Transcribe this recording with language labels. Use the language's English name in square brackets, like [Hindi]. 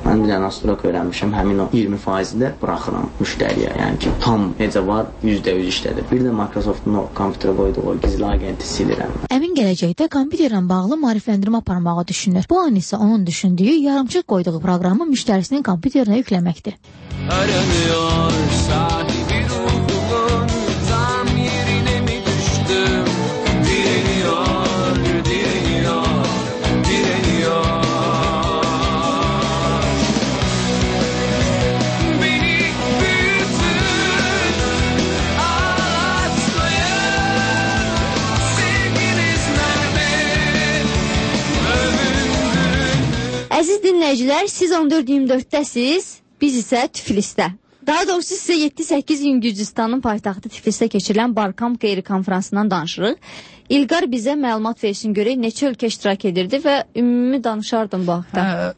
[Azerbaijani] Mən bir dənə astrolog öyrənmişəm, həmin o 20%-i də buraxıram müştəriyə. Yəni ki, tam necə var, 100% işlədir. Bir də Microsoft-un o kompüterə qoyduğu o gizli agenti silirəm. Əmin gələcəkdə kompüterlə bağlı maarifləndirmə aparmağı düşünür. Bu an isə onun düşündüyü yarımçıq qoyduğu proqramı müştərisinin kompüterinə yükləməkdir. [Turkish] Aranıyor sahibi ruhumun, tam yerine mi düştüm? Direniyor, direniyor, direniyor. Beni büyütün, ağlatmayın. Sevginiz nerede, övündüm. [Azerbaijani] Əziz dinləyicilər, siz 14-24-dəsiniz. Biz isə Tiflisdə. Daha doğrusu sizə 7-8 gün Gürcüstanın paytaxtı Tiflisdə keçirilən Barkamp qeyri-konferansından danışırıq. İlqar bizə məlumat versin görək neçə ölkə iştirak edirdi və ümumi danışardım bu haqda.